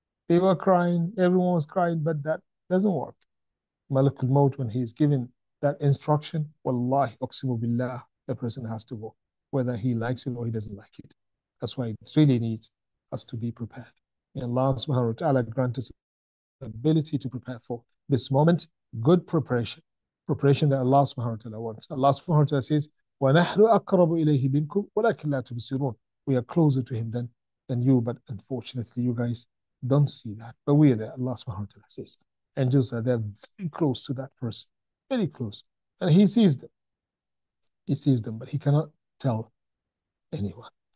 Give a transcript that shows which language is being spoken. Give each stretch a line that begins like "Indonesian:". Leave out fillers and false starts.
English: They were crying, everyone was crying, but that doesn't work. Malakul Maut, when he's given that instruction, wallahi, uqsimu billah, the person has to go, whether he likes it or he doesn't like it. That's why it really needs us to be prepared. May Allah subhanahu wa ta'ala grant us the ability to prepare for this moment, good preparation, preparation that Allah subhanahu wa ta'ala wants.
Arabic: Allah subhanahu wa ta'ala says, وَنَحْنُ أَقْرَبُ إِلَيْهِ مِنْكُمْ وَلَكِنْ لَا تُبْصِرُونَ.
English: We are closer to him than you, but unfortunately you guys don't see that. But we are there, Allah subhanahu wa ta'ala says. Angels are there, very close to that person, very close. And he sees them. He sees them, but he cannot tell anyone.